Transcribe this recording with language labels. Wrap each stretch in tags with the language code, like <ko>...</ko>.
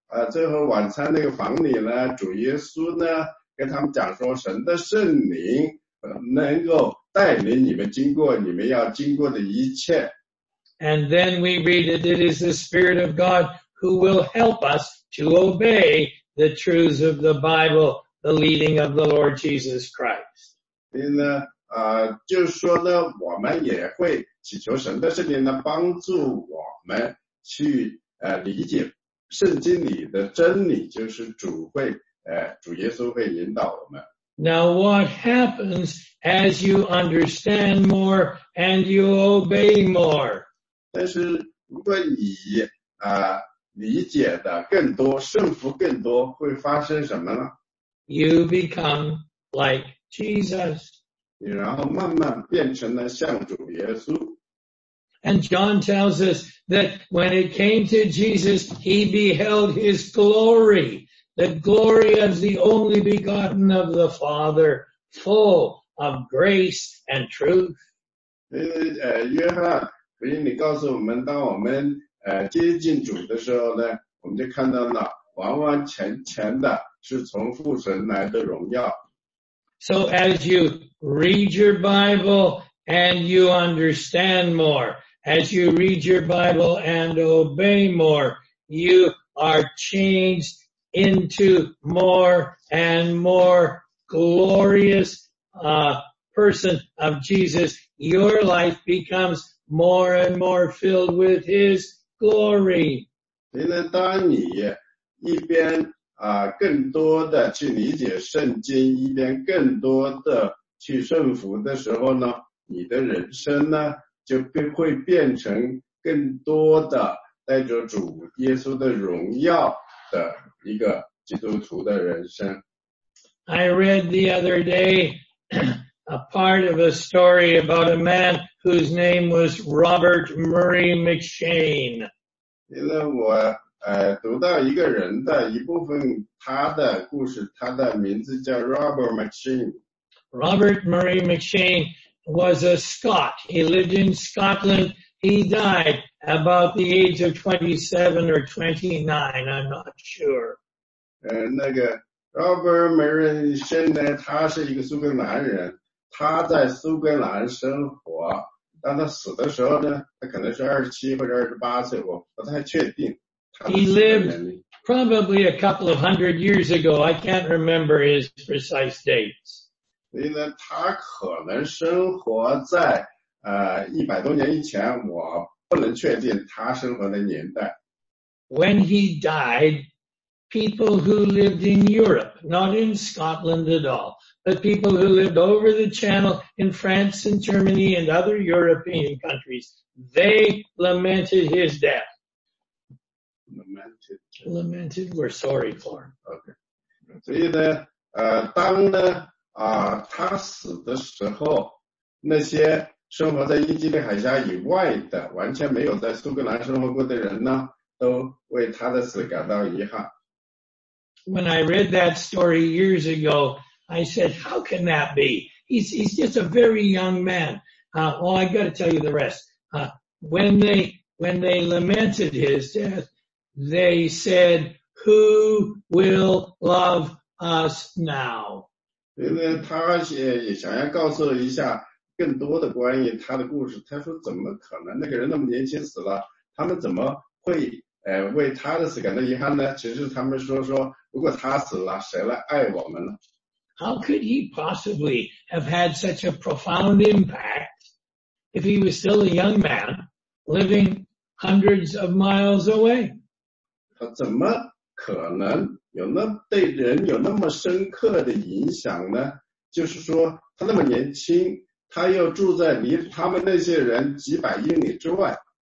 <zh>最后晚餐那个房里呢，主耶稣呢跟他们讲说，神的圣灵能够带领你们经过你们要经过的一切。</zh> <en>And then we read that it is the Spirit of God who will help us to obey the truths of the Bible, the leading of the Lord Jesus Christ.</en> <zh>所以呢，就是说呢，我们也会祈求神的圣灵呢帮助我们去理解圣经里的真理，就是主会主耶稣会引导我们。</zh> <en>Now what happens as you understand more and you obey more?</en> <zh>但是如果你理解的更多，顺服更多，会发生什么呢？</zh> <en>You become like Jesus.</en> <zh>你然后慢慢变成了像主耶稣。</zh> <en>And John tells us that when it came to Jesus, he beheld his glory. The glory of the only begotten of the Father, full of grace and truth.</en> <zh>约翰福音里告诉我们，当我们接近主的时候呢，我们就看到了完完全全的是从父神来的荣耀。</zh> <en>So as you read your Bible and you understand more, as you read your Bible and obey more, you are changed. Into more and more glorious, person of Jesus, your life becomes more and more filled with His glory.</en> <zh>所以当你一边更多的去理解圣经，一边更多的去顺服的时候呢，你的人生呢就会变成更多的带着主耶稣的荣耀。的一个基督徒的人生。</zh> <en>I read the other day a part of a story about a man whose name was Robert Murray McShane.</en> <zh>因为我读到一个人的一部分他的故事，他的名字叫 Robert McShane.</zh> <en>Robert Murray McShane was a Scot. He lived in Scotland. He died about the age of 27 or 29, I'm not sure.</en> <zh>那个 Robert Murray McShane 呢，他是一个苏格兰人，他在苏格兰生活，当他死的时候呢，他可能是27或者28岁，我不太确定。</zh> <en>He lived probably a couple of hundred years ago, I can't remember his precise dates.</en> <zh>所以呢，他可能生活在100多年以前，我不能确定他生活的年代。</zh> <en>When he died, people who lived in Europe, not in Scotland at all, but people who lived over the channel in France and Germany and other European countries, they lamented his death. Lamented. Lamented, we're sorry for. Okay.</en> <zh>所以呢当呢他死的时候，那些生活在英吉利海峡以外的完全没有在苏格兰生活过的人呢，都为他的死感到遗憾。</zh> <en>When I read that story years ago, I said, how can that be? He's just a very young man. Well, I gotta tell you the rest. When they lamented his death, they said, who will love us now?</en> <zh>因为他也想要告诉一下更多的关于他的故事，他说怎么可能，那个人那么年轻死了，他们怎么会为他的死感到遗憾呢？其实他们说如果他死了，谁来爱我们呢？</zh> <en>How could he possibly have had such a profound impact if he was still a young man living hundreds of miles away?</en> <zh>他怎么可能有那对人有那么深刻的影响呢？就是说他那么年轻，他又住在离他们那些人几百英里之外。</zh>